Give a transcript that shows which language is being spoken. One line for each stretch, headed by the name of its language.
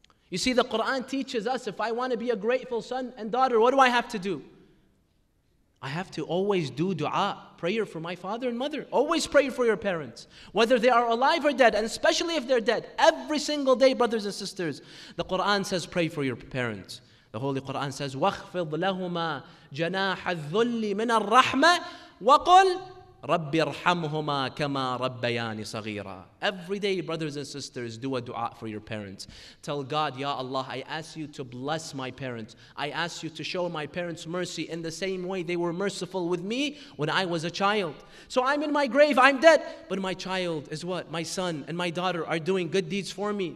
English: You see, the Quran teaches us if I want to be a grateful son and daughter, what do I have to do? I have to always do dua, prayer for my father and mother. Always pray for your parents, whether they are alive or dead, and especially if they're dead. Every single day, brothers and sisters, the Quran says pray for your parents. The Holy Quran says,
Arabic: وَخْفِضْ لَهُمَا جَنَاحَ الذُّلِّ مِنَ الرَّحْمَةِ وَقُلْ رَبِّ ارْحَمْهُمَا كَمَا رَبَّيَانِ صَغِيرًا.
English: Every day, brothers and sisters, do a dua for your parents. Tell God, Ya Allah, I ask you to bless my parents. I ask you to show my parents mercy in the same way they were merciful with me when I was a child. So I'm in my grave, I'm dead, but my child is what? My son and my daughter are doing good deeds for me.